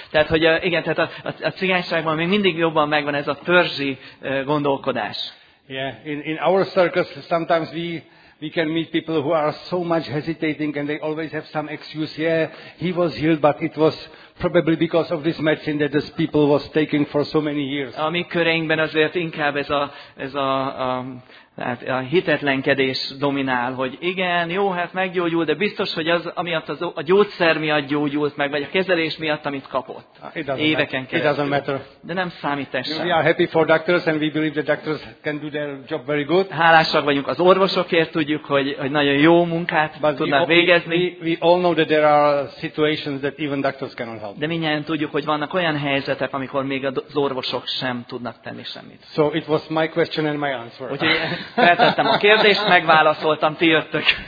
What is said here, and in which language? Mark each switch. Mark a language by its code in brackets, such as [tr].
[hu] Tehát hogy igen, tehát a cigányságban még mindig jobban megvan ez a törzsi gondolkodás. [en] Yeah, in our circus sometimes we can meet people who are so much hesitating and they always have some excuse. Yeah, he was healed, but it was probably because of this medicine that this people was taking for so many years. [hu] A mi köreinkben azért inkább ez a hitetlenkedés dominál, hogy igen, jó, hát meggyógyul, de biztos, hogy az, amiatt a gyógyszer miatt gyógyult meg, vagy a kezelés miatt, amit kapott éveken keresztül. De nem számít ez sem. [en] We are happy for doctors, and we believe the doctors can do their job very good. [hu] Hálásak vagyunk az orvosokért, tudjuk, hogy nagyon jó munkát tudnak végezni. [en] We all know that there are situations that even doctors cannot help. [hu] De mindjárt tudjuk, hogy vannak olyan helyzetek, amikor még az orvosok sem tudnak tenni semmit. [en] So it was my question and my answer. [hu] Feltettem a kérdést, megválaszoltam, ti jöttök.